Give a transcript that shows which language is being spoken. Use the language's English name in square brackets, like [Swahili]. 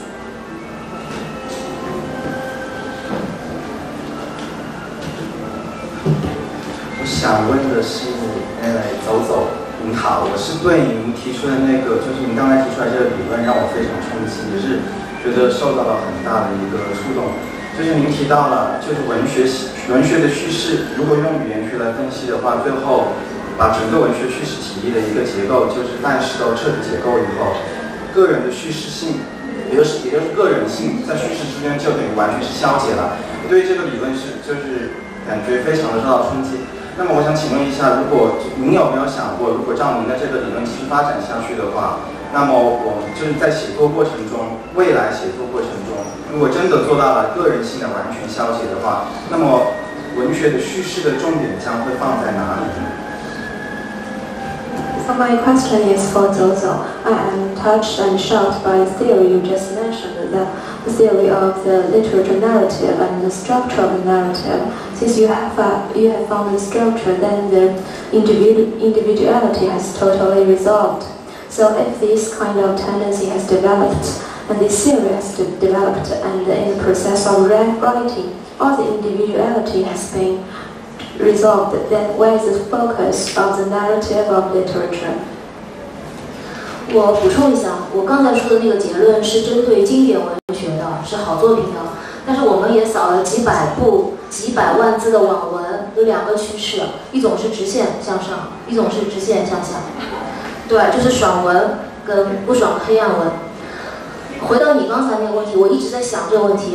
[English] I want to ask the question, Zou Zou, hello. I was very interested in the question you just mentioned, which was very interesting. I was very surprised by the question. [Chinese] 就是您提到了，就是文学的叙事，如果用语言去来分析的话，最后把整个文学叙事体力的一个结构，就是范式到彻底结构以后，个人的叙事性，也就是个人性，在叙事之间就等于完全是消解了。对于这个理论是就是感觉非常的受到冲击。那么我想请问一下，如果您有没有想过，如果照您的这个理论继续发展下去的话，那么我们就是在写作过程中，未来写作过程中。如果真的做到了个人性的完全消解的话，那么文学的叙事的重点将会放在哪里呢？ [English] So my question is for Zou Zou. I am touched and shocked by the theory you just mentioned, the theory of the literature narrative and the structure of the narrative. Since you have found the structure, then the individuality has totally resolved. So if this kind of tendency has developedAnd this theory has developed, and in the process of writing, all the individuality has been resolved. Then where is the focus of the narrative of literature? [Chinese] 我补充一下，我刚才说的那个结论是针对经典文学的，是好作品的。但是我们也扫了几百部、几百万字的网文，有两个趋势，一种是直线向上，一种是直线向下。对，就是爽文跟不爽黑暗文。回到你刚才那个问题，我一直在想这个问题。